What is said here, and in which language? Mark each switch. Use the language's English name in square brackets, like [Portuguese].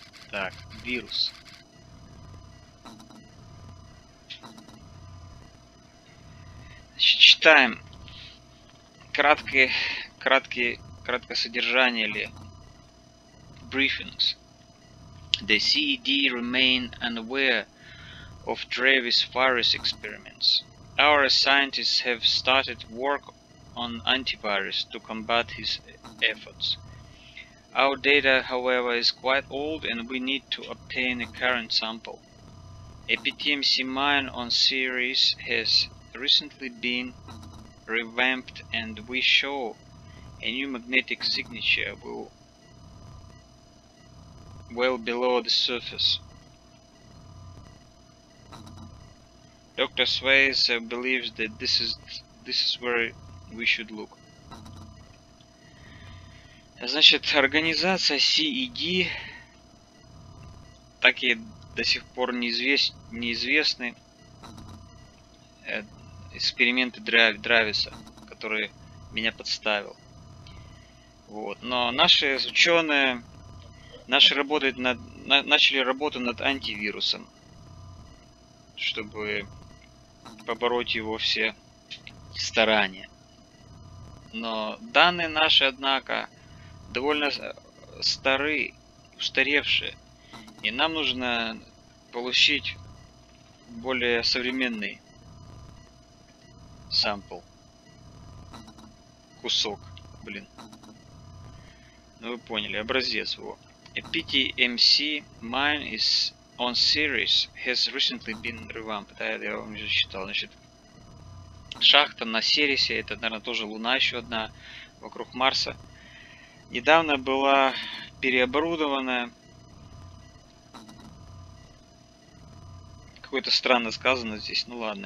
[Russian] Так, вирус. Значит, читаем. Краткое содержание или брифингс. [English] The CED remain unaware of Travis virus experiments. Our scientists have started work on antivirus to combat his efforts. Our data, however, is quite old and we need to obtain a current sample. A PTMC mine on Ceres has recently been revamped and we show a new magnetic signature well below the surface. Dr. Swayze believes that this is where we should look. [Russian] Значит, организация CED так и до сих пор неизвестны эксперименты Дрависа, который меня подставил. Вот. Но наши ученые начали работу над антивирусом, чтобы побороть его все старания. Но данные наши, однако, довольно старые, устаревшие. И нам нужно получить более современный сэмпл. Кусок, блин. Ну вы поняли, образец его. [English] A PTMC mine is on Ceres has recently been revamped. [Russian] Я вам уже читал. Значит, шахта на Ceres, это, наверное, тоже Луна еще одна вокруг Марса, недавно была переоборудована. Какое-то странно сказано здесь, ну ладно.